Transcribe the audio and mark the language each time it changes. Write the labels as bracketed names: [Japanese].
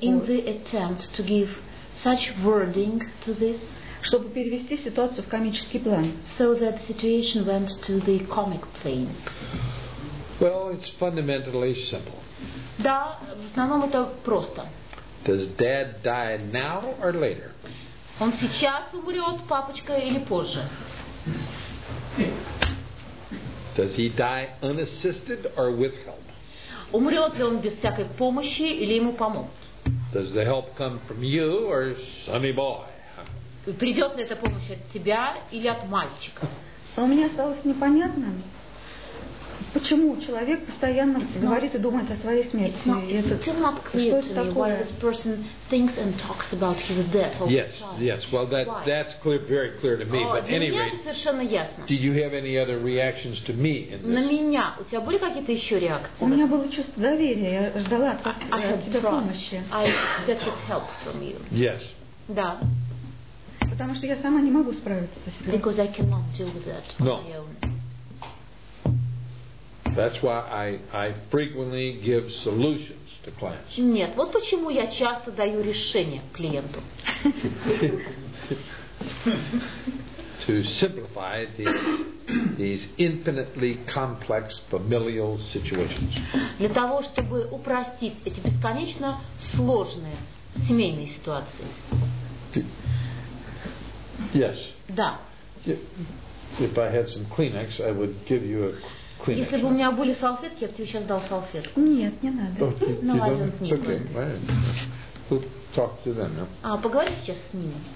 [English] in the attempt to give such wording to this, [Russian] чтобы перевести ситуацию в комический план. [English] So that the situation went to the comic plane. Well, it's fundamentally simple. [Russian] Да, в основном это просто. [English] Does dad die now or later? [Russian] Он сейчас умрет, папочка, или позже? [English] Does he die unassisted or with help? [Russian] Умрет ли он без всякой помощи или ему помогут? [English] Does the help come from you or Sonny Boy? [Russian] Придет ли эта помощь от тебя или от мальчика? У меня осталось непонятно, почему человек постоянно говорит и думает о своей смерти. Что это такое? [English] This person thinks and talks about his death. Yes, yes. Well, that's clear, very clear to me. But anyway, [Russian] совершенно ясно. [English] Did you have any other reactions to me? [Russian] На меня. У тебя были какие-то еще реакции? У меня было чувство доверия. Я ждала от тебя помощи. [English] I expected help from you. Yes. [Russian] Да. Потому что я сама не могу справиться с этим. [English] Because I cannot deal with that on my own. That's why I frequently give solutions to clients. [Russian] Нет, вот почему я часто даю решение клиенту. [English] to simplify these infinitely complex familial situations. [Russian] Для того, чтобы упростить эти бесконечно сложные семейные ситуации. [English] Yes. [Russian] Да. [English] If I had some Kleenex, I would give you a Kleenex. [Russian] Если бы у меня были салфетки, я бы тебе сейчас дал салфетку. Нет, не надо. [English] No, I don't need one. Okay, right. We'll talk to them now. [Russian] А поговори сейчас с ними.